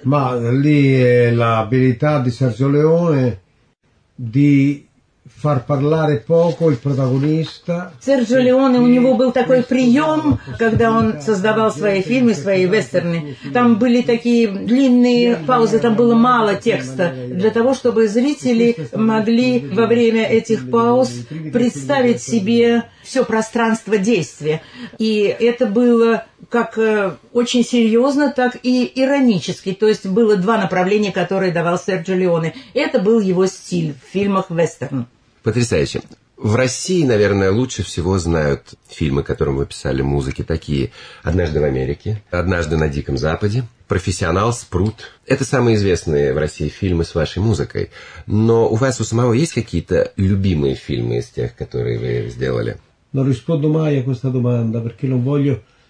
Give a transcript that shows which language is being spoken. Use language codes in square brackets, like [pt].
[it] Ma lì è l'abilità di Sergio Leone di far parlare poco il protagonista. [ru] Серджио Леоне, у него был такой прием, когда он создавал свои фильмы, свои вестерны. Там были такие длинные паузы, там было мало текста, для того, чтобы зрители могли во время этих пауз представить себе все пространство действия. И это было как очень серьезно, так и иронически. То есть было два направления, которые давал Серджио Леоне. Это был его стиль в фильмах вестерн. Потрясающе. В России, наверное, лучше всего знают фильмы, которым вы писали музыки, такие «Однажды в Америке», «Однажды на Диком Западе», «Профессионал», «Спрут». Это самые известные в России фильмы с вашей музыкой. Но у вас у самого есть какие-то любимые фильмы из тех, которые вы сделали? [it] Non rispondo mai a questa domanda, perché non voglio...